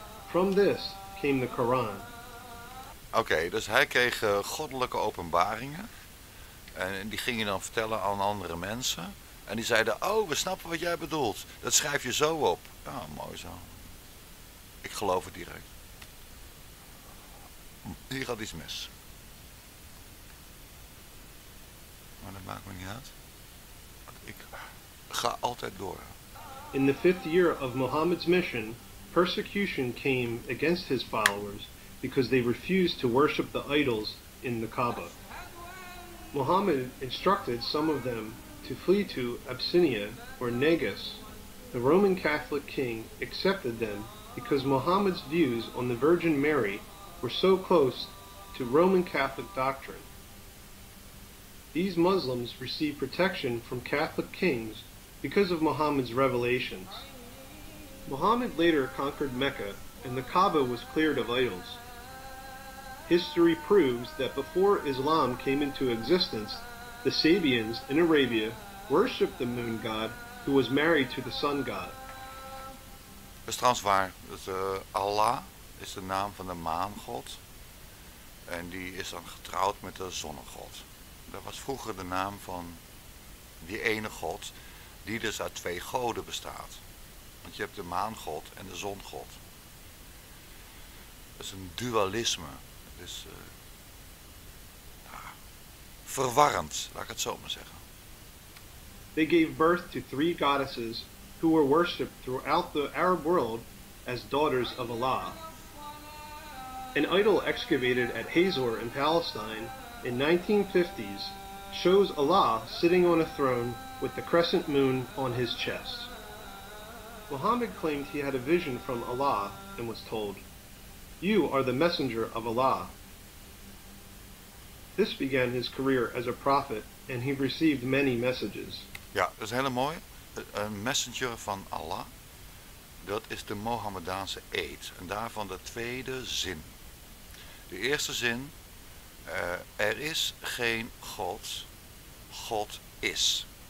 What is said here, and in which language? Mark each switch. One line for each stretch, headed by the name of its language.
English: From this came the Quran.
Dutch: Okay, dus hij kreeg goddelijke openbaringen. En die ging je dan vertellen aan andere mensen. En die zeiden, oh, we snappen wat jij bedoelt. Dat schrijf je zo op. Ja, mooi zo. Ik geloof het direct. Hier gaat iets mis. Maar dat maakt me niet uit. Ik ga altijd door.
English: In the fifth year of Muhammad's mission, persecution came against his followers because they refused to worship the idols in the Kaaba. Muhammad instructed some of them to flee to Abyssinia or Negus. The Roman Catholic king accepted them because Muhammad's views on the Virgin Mary were so close to Roman Catholic doctrine. These Muslims received protection from Catholic kings because of Muhammad's revelations. Muhammad later conquered Mecca and the Kaaba was cleared of idols. History proves that before Islam came into existence, the Sabians in Arabia worshipped the moon god who was married to the sun god.
Dutch: Dat is trouwens waar. Dus, Allah is de naam van de maangod. En die is dan getrouwd met de zonnegod. Dat was vroeger de naam van die ene god die dus uit twee goden bestaat. Want je hebt de maangod en de zongod. Dat is een dualisme. Dus verwarrend, laat ik het zo maar zeggen.
English: They gave birth to three goddesses who were worshipped throughout the Arab world as daughters of Allah. An idol excavated at Hazor in Palestine in 1950s shows Allah sitting on a throne with the crescent moon on his chest. Muhammad claimed he had a vision from Allah and was told, "You are the messenger of Allah." This began his career as a prophet and he received many messages.
Dutch: Ja, dat is heel mooi. Een messenger van Allah, dat is de Mohammedaanse eed. En daarvan de tweede zin. De eerste zin, er is geen God, God is.